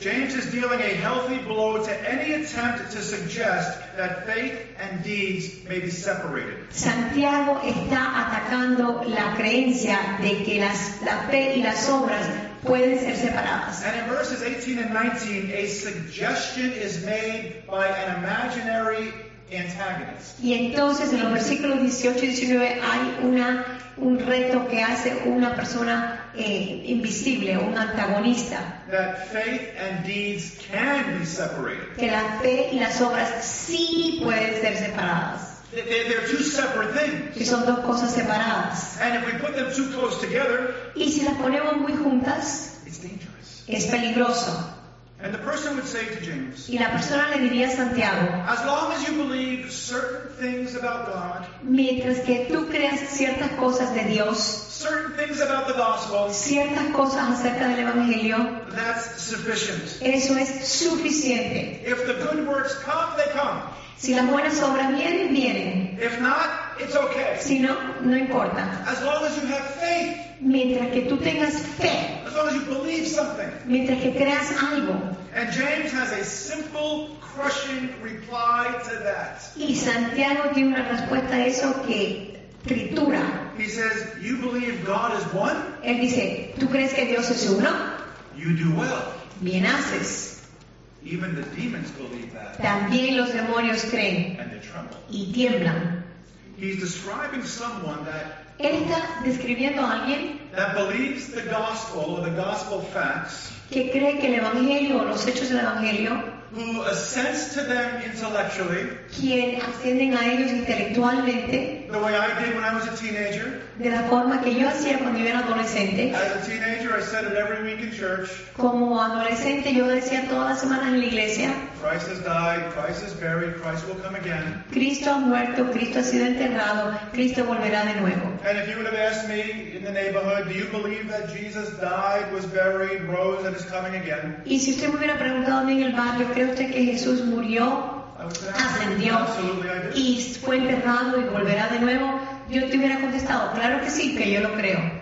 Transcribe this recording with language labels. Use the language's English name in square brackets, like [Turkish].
[English] James is dealing a healthy blow to any attempt to suggest that faith and deeds may be separated. [Spanish] Santiago está atacando la creencia de que la fe y las obras pueden ser separadas. [English] And in verses 18 and 19, a suggestion is made by an imaginary antagonist. [Spanish] Y entonces en los versículos 18 y 19 hay un reto que hace una persona invisible, un antagonista. [English] That faith and deeds can be separated. [Spanish] Que la fe y las obras sí pueden ser separadas. [English] They're two separate things. [Spanish] Que son dos cosas separadas. [English] And if we put them too close together, [Spanish] y si las ponemos muy juntas, [English] it's dangerous. [Spanish] Es peligroso. [English] And the person would say to James, [Spanish] y la persona le diría a Santiago, [English] as long as you believe certain things about God, [Spanish] mientras que tú creas ciertas cosas de Dios, [English] certain things about the gospel, [Spanish] ciertas cosas acerca del evangelio, [English] that's sufficient. [Spanish] Eso es suficiente. [English] If the good works come, they come. [Spanish] Si las buenas obras vienen, vienen. [English] If not, it's okay. [Spanish] Si no, no importa. [English] As long as you have faith, [Spanish] mientras que tú tengas fe. [English] As long as you believe something. [Spanish] Mientras que creas algo. [English] And James has a simple, crushing reply to that. [Spanish] Y Santiago tiene una respuesta a eso que tritura. [English] He says, you believe God is one? [Spanish] Él dice, ¿tú crees que Dios es uno? [English] You do well. [Spanish] Bien haces. [English] Even the demons believe that. [Spanish] También los demonios creen. [English] And they tremble. [Spanish] Y tiemblan. [English] He's describing someone that. [Spanish] Él está describiendo a alguien. [English] That believes the gospel or the gospel facts. [Spanish] Que cree que el evangelio o los hechos del evangelio. [English] Who ascends to them intellectually. [Spanish] Quien ascienden a ellos intelectualmente. [English] The way I did when I was a teenager. [Spanish] De la forma que yo hacía cuando yo era adolescente. [English] As a teenager, I said it every week in church. [Spanish] Como adolescente, yo decía todas las semanas en la iglesia. [English] Christ has died. Christ is buried. Christ will come again. [Spanish] Cristo ha muerto. Cristo ha sido enterrado. Cristo volverá de nuevo. [English] And if you would have asked me in the neighborhood, do you believe that Jesus died, was buried, rose, and is coming again? [Spanish] Y si usted me hubiera preguntado a mí en el barrio, ¿cree usted que Jesús murió, ascendió y fue enterrado y volverá de nuevo? Yo te hubiera contestado, claro que sí, que yo lo creo.